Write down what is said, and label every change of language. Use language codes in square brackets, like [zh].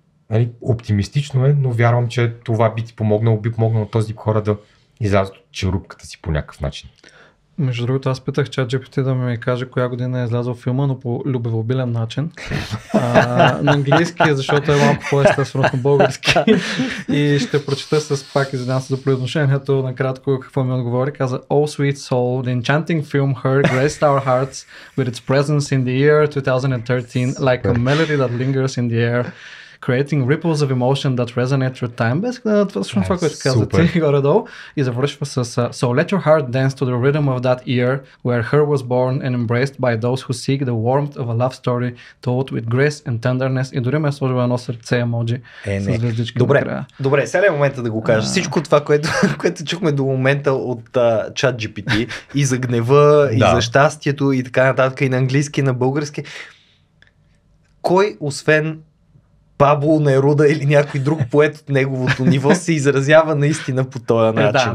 [bg] Нали, оптимистично е, но вярвам, че това би ти помогнало, би помогнал този хора да излязат от черупката си по някакъв начин. Между другото, аз питах ChatGPT да ми каже коя година е излязъл филма, но по любвеобилен начин. На английски, защото е малко по-естествено на български. И ще прочета с пак извинявам се за произношението накратко какво ми отговори. Каза [en] All Sweet Soul, the enchanting film Her graced our hearts with its presence in the year 2013 like a melody that lingers in the air. Creating ripples of emotion that resonate through time. Basically, [bg] това, това, което каза ти, горе-долу. И завършва с [en] So let your heart dance to the rhythm of that year where her was born and embraced by those who seek the warmth of a love story told with grace and tenderness. [bg] И дори ме сложва едно сърце емоджи с звездички. Добре, добре, сега е момента да го кажа. Всичко това, което чухме до момента от ChatGPT и за гнева, и за щастието, и така нататък, и на английски, и на български. Кой, освен Пабло Неруда или някой друг поет от неговото ниво се изразява наистина по този начин.